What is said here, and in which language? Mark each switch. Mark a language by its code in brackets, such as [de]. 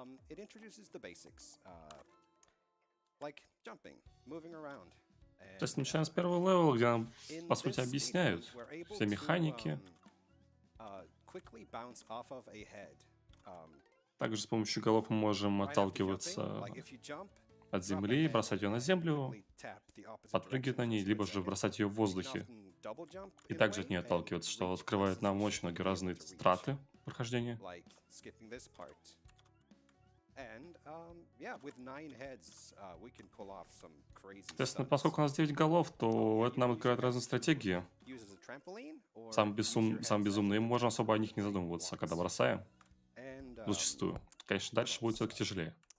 [en] It introduces the basics, like jumping, moving around. [ru] То есть начинаем с первого левела, где нам, по сути, объясняют все механики. [en] Quickly bounce off of a head. [ru] Также с помощью голов мы можем отталкиваться от земли, бросать ее на землю, подпрыгивать на ней, либо же бросать ее в воздухе. И также от нее отталкиваться, что открывает нам очень многие разные страты. Прохождение. [en] Like skipping this part. And with nine heads, we can pull off some crazy stuff. [ru] Естественно, поскольку у нас 9 голов, то это нам открывает разные стратегии. Самые безумные, мы можем особо о них не задумываться, когда бросаем. Зачастую. Конечно, дальше будет все-таки тяжелее.